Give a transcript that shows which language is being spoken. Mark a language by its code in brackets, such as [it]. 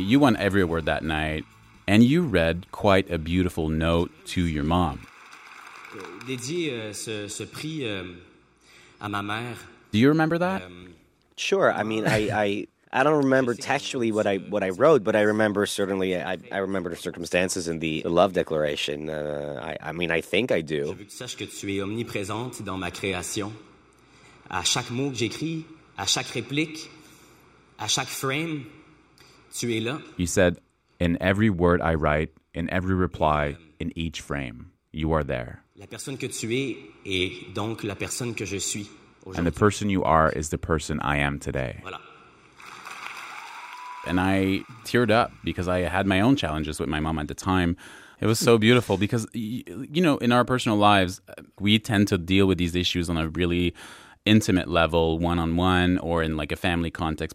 [en] You won every award that night, and you read quite a beautiful note to your mom. [fr] Dédié ce prix à ma mère. [en] Do you remember that? Sure. I mean, I don't remember textually what I wrote, but I remember certainly I remember the circumstances in the love declaration. I think I do. [fr] Je veux que tu saches que tu es omniprésente dans ma création. À chaque mot que j'écris, à chaque réplique, à chaque frame, tu es là. [en] You said, in every word I write, in every reply, in each frame, you are there. [fr] La personne que tu es est donc la personne que je suis aujourd'hui. [en] And the person you are is the person I am today. [fr] Voilà. [en] And I teared up because I had my own challenges with my mom at the time. It was so beautiful because, you know, in our personal lives, we tend to deal with these issues on a really intimate level, one-on-one or in like a family context.